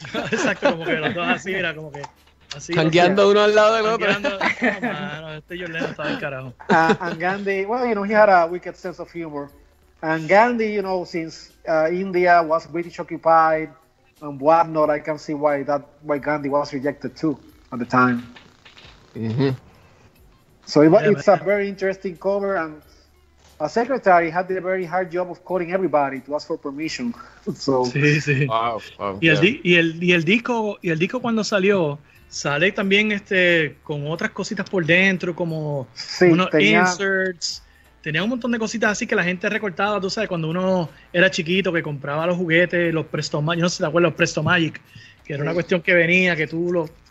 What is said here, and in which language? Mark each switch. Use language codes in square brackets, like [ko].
[es] Exacto, como que los dos así, era como que... Cangueando uno al lado del otro. [en] And Gandhi, well, you know, he had a wicked sense of humor. And Gandhi, you know, since India was British occupied and whatnot, I can see why Gandhi was rejected too at the time. Mm-hmm. So it's a very interesting cover, and a secretary had the very hard job of calling everybody to ask for permission. So [es] sí, sí. [en] Wow. [es] Y el disco cuando salió. Sale también con otras cositas por dentro, como sí, unos inserts. Tenía un montón de cositas así que la gente recortaba, tú sabes, cuando uno era chiquito, que compraba los juguetes, los Presto Magic, yo no sé si te acuerdas, los Presto Magic, que era una cuestión que venía, que tú lo...